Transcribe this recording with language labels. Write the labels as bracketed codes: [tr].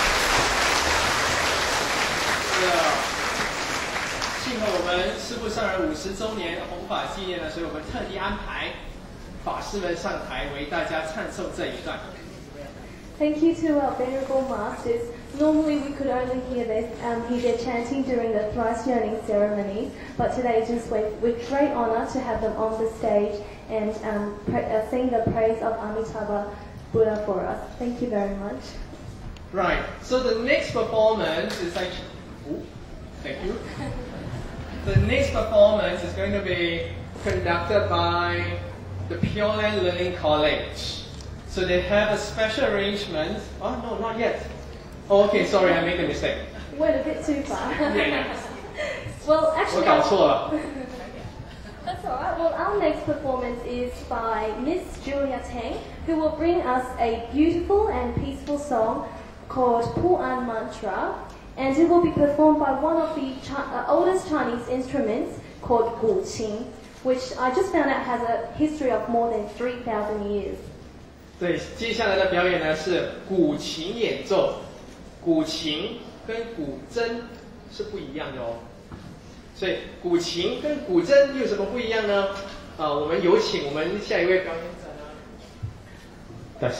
[zh] 是的，幸好我们师父上人50周年弘法纪念呢，所以我们特地安排法师们上台为大家唱诵这一段。 [en] Thank you to our venerable masters. Normally we could only hear this, their chanting during the thrice yearning ceremony, but today it's just with great honor to have them on the stage and sing the praise of Amitabha Buddha for us. Thank you very much. Right, so the next performance is The next performance is going to be conducted by the Pure Land Learning College. So they have a special arrangement. Oh, no, not yet. Oh, okay, sorry, I made a mistake. Went a bit too far. Yeah. Well, actually... [zh] 我搞错了。 [en] That's all right. Well, our next performance is by Miss Julia Tang, who will bring us a beautiful and peaceful song called Pu'an Mantra. And it will be performed by one of the oldest Chinese instruments called Gu Qin, which I just found out has a history of more than 3,000 years. [zh] 对，接下来的表演呢是古琴演奏，古琴跟古筝是不一样的哦。所以古琴跟古筝有什么不一样呢？我们有请我们下一位表演者呢。